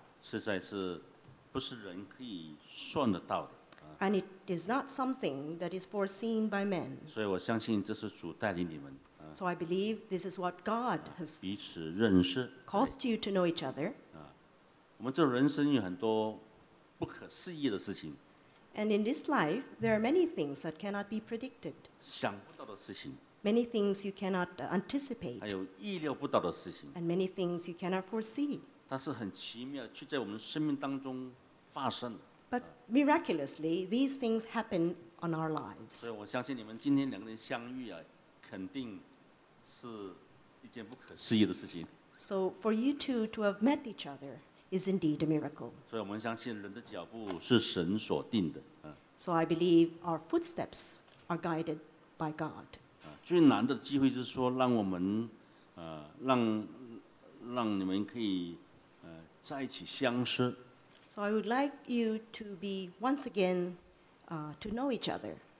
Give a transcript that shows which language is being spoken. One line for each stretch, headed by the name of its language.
Chinese: 实在是不是人可以算得到的,
English: and it is not something that is foreseen by men. So I believe this is what God has caused you to know each other.
Chinese: 我们这人生有很多不可思议的事情。
English: And in this life, there are many things that cannot be predicted.
Chinese: 想不到的事情。
English: Many things you cannot anticipate.
Chinese: 还有意料不到的事情。
English: And many things you cannot foresee.
Chinese: 但是很奇妙，却在我们生命当中发生。
English: But miraculously, these things happen on our lives.
Chinese: 所以我相信你们今天两个人相遇啊，肯定。是一件不可思议的事情。
English: So for you two to have met each other is indeed a miracle.
Chinese: 所以我们相信人的脚步是神所定的。
English: So I believe our footsteps are guided by God.
Chinese: 最难的机会就是说让你们可以在一起相识。
English: So I would like you to be once again to know each other.